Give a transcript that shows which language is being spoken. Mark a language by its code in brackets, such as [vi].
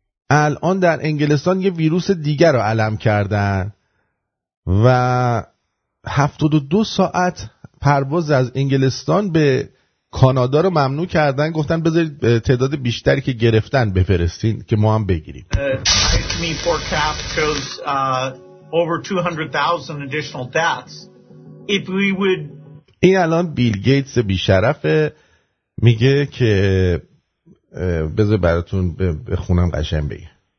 [fa] الان در انگلستان یه ویروس دیگر رو علم کردن و 72 ساعت پرواز از انگلستان به کانادا رو ممنوع کردن، گفتن بذارید تعداد بیشتری که گرفتن بفرستین که ما هم بگیریم. [en] Me forecast shows over 200,000 additional deaths. If we would... [fa] این الان بیل گیتس بیشرفه میگه که بذار براتون بخونم قشنگ بگه.